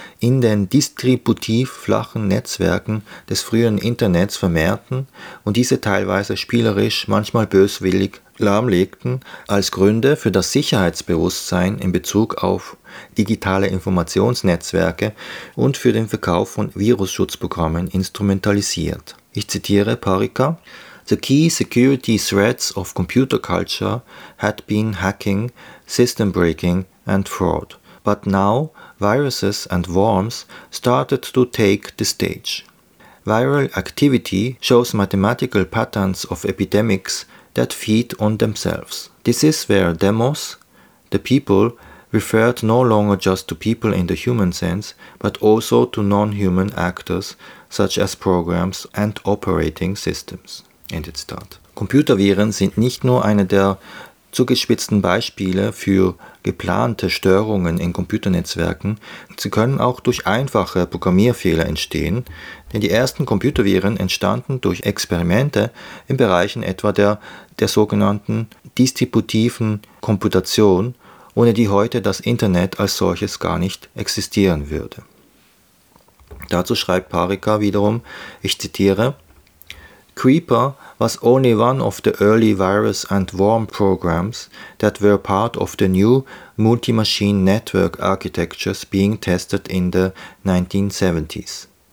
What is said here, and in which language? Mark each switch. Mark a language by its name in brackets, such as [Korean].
[German] in den distributiv flachen Netzwerken des frühen Internets vermehrten und diese teilweise spielerisch, manchmal böswillig lahmlegten, als Gründe für das Sicherheitsbewusstsein in Bezug auf digitale Informationsnetzwerke und für den Verkauf von Virusschutzprogrammen instrumentalisiert. Ich zitiere [English] Parikka: "The key security threats of computer culture had been hacking, system breaking and fraud. But now viruses and worms started to take the stage. Viral activity shows mathematical patterns of epidemics that feed on themselves. This is where demos, the people, referred no longer just to people in the human sense, but also to non-human actors such as programs and operating systems." [German] Ende Zitat. Computerviren sind nicht nur eine der zugespitzten Beispiele für geplante Störungen in Computernetzwerken, sie können auch durch einfache Programmierfehler entstehen, denn die ersten Computerviren entstanden durch Experimente in Bereichen etwa der sogenannten distributiven Komputation, ohne die heute das Internet als solches gar nicht existieren würde. Dazu schreibt Parikka wiederum, ich zitiere: [English] "Creeper was only one of the early virus and worm programs that were part of the new multi-machine network architectures being tested in the 1970s.